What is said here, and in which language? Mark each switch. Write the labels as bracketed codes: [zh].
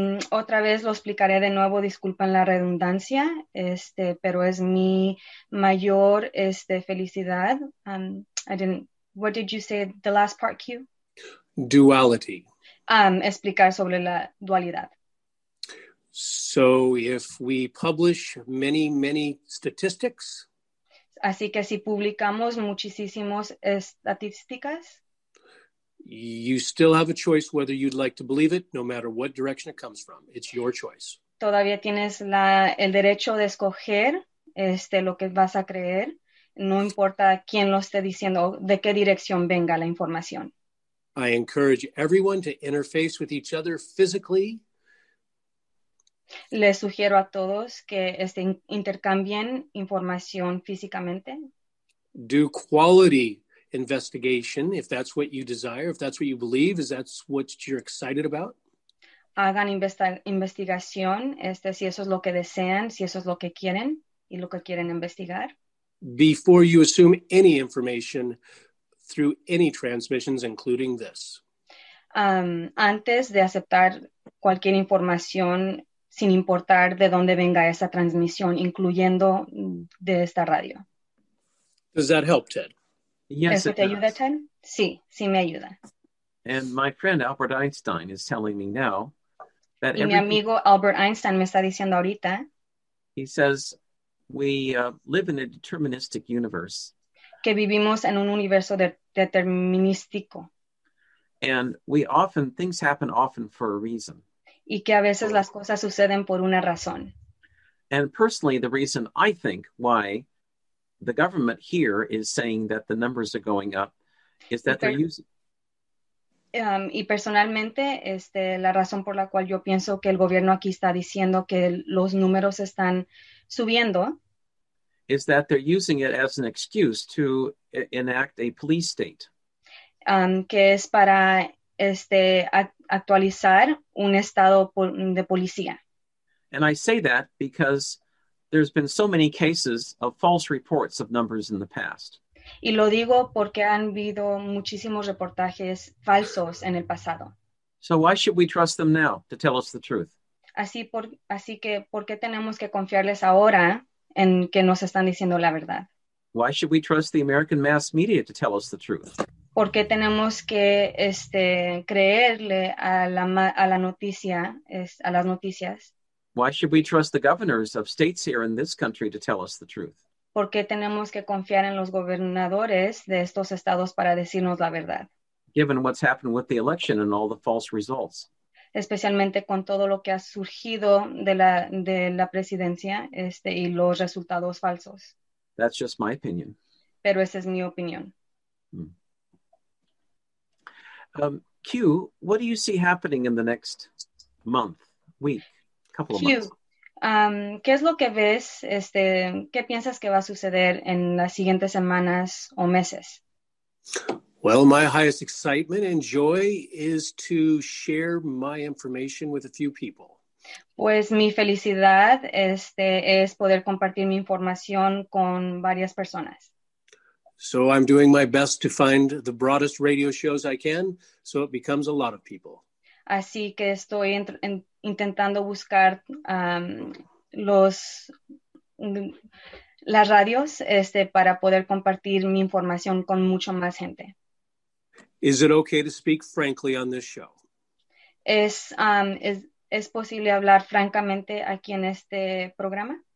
[es] Otra vez lo explicaré de nuevo, disculpen la redundancia, pero es mi mayor felicidad. [en] What did you say the last part, Q? Duality. [es] Explicar sobre la dualidad. [en] So if we publish many, many statistics. [es] Así que si publicamos muchísimas estadísticas. [en] You still have a choice whether you'd like to believe it, no matter what direction it comes from. It's your choice. [es] Todavía tienes el derecho de escoger lo que vas a creer. No importa quién lo esté diciendo, de qué dirección venga la información. [en] I encourage everyone to interface with each other physically. [es] Les sugiero a todos que intercambien información físicamente. [en] Do quality investigation if that's what you desire, if that's what you believe, if that's what you're excited about. [es] Hagan investigación si eso es lo que desean, si eso es lo que quieren y lo que quieren investigar. [en] Before you assume any information through any transmissions, including this. [es] Antes de aceptar cualquier información, sin importar de dónde venga esa transmisión, incluyendo de esta radio. [en] Does that help, Ted? Yes, [es] ¿Eso [en] it [es] te [en] does. [es] Ayuda, Ted? Sí, sí me ayuda. [en] And my friend Albert Einstein is telling me now that [es] Mi amigo Albert Einstein me está diciendo ahorita. [en] He says... We live in a deterministic universe. [es] Que vivimos en un universo determinístico. [en] And we often, things happen often for a reason. [es] Y que a veces las cosas suceden por una razón. [en] And personally, the reason I think why the government here is saying that the numbers are going up is that they're using... [es] Y personalmente, la razón por la cual yo pienso que el gobierno aquí está diciendo que los números están subiendo [en] is that they're using it as an excuse to enact a police state. [es] Que es para actualizar un estado de policía. [en] And I say that because there's been so many cases of false reports of numbers in the past. [es] Y lo digo porque han habido muchísimos reportajes falsos en el pasado. [en] So why should we trust them now to tell us the truth? [es] Así que, ¿por qué tenemos que confiarles ahora en que nos están diciendo la verdad? [en] Why should we trust the American mass media to tell us the truth? [es] ¿Por qué tenemos que creerle a la noticia, a las noticias? [en] Why should we trust the governors of states here in this country to tell us the truth? [es] ¿Por qué tenemos que confiar en los gobernadores de estos estados para decirnos la verdad? [en] Given what's happened with the election and all the false results. [es] Especialmente con todo lo que ha surgido de la presidencia y los resultados falsos. [en] That's just my opinion. [es] Pero esa es mi opinión. Hmm. [en] Q, what do you see happening in the next month, week, couple of [es] Q, [en] months? [es] ¿Qué es lo que ves, qué piensas que va a suceder en las siguientes semanas o meses? [en] Well, my highest excitement and joy is to share my information with a few people. [es] Pues mi felicidad, es poder compartir mi información con varias personas. [en] So I'm doing my best to find the broadest radio shows I can, so it becomes a lot of people. [es] Así que estoy intentando buscar las radios para poder compartir mi información con mucho más gente. [en] Is it okay to speak frankly on this show? [es] ¿Es posible hablar francamente aquí en este programa?